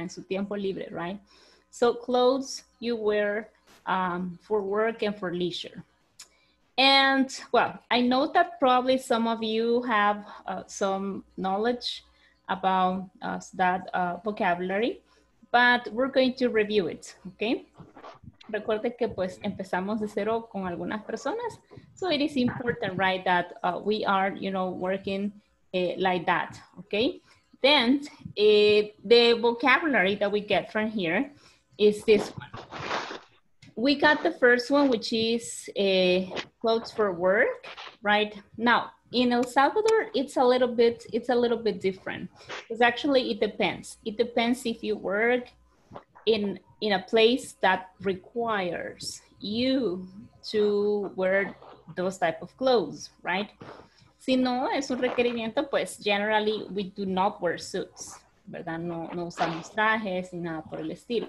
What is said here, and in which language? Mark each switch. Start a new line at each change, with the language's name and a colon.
Spanish: En su tiempo libre,
English: right? So, clothes you wear for work and for leisure. And, well, I know that probably some of you have some knowledge about that vocabulary, but we're going to review it, okay?
Spanish: Recuerde que, pues, empezamos de cero con algunas personas.
English: So, it is important, right, that we are, you know, working like that, okay? Then, the vocabulary that we get from here is this one. We got the first one, which is clothes for work, right? Now, in El Salvador, it's a little bit different. Because actually, it depends. It depends if you work in a place that requires you to wear those type of clothes, right?
Spanish: Si no es un requerimiento, pues
English: generally we do not wear suits,
Spanish: ¿verdad? No, no usamos trajes ni nada por el estilo.